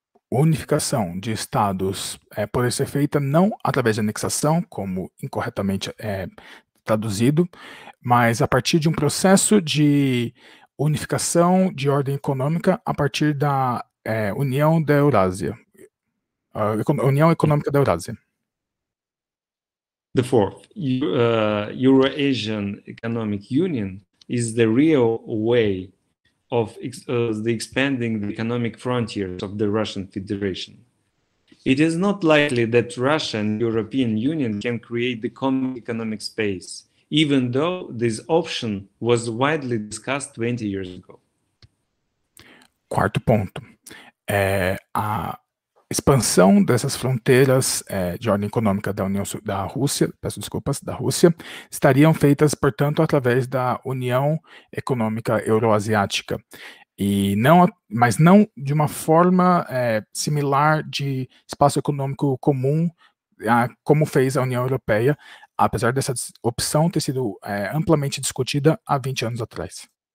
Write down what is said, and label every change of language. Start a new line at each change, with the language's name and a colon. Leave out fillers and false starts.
Portuguese: Unificação de estados pode ser feita não através de anexação, como incorretamente traduzido, mas a partir de um processo de unificação de ordem econômica a partir da União da Eurásia, União Econômica da Eurásia.
English: The fourth, Euro-Asian Economic Union is the real way of the expanding the economic frontiers of the Russian Federation. It is not likely that Russia and European Union can create the common economic space, even though this option was widely discussed 20 years ago.
Portuguese: Quarto ponto. A expansão dessas fronteiras de ordem econômica da Rússia, estariam feitas, portanto, através da União Econômica Euroasiática, mas não de uma forma similar de espaço econômico comum, como fez a União Europeia, apesar dessa opção ter sido amplamente discutida há 20 anos atrás.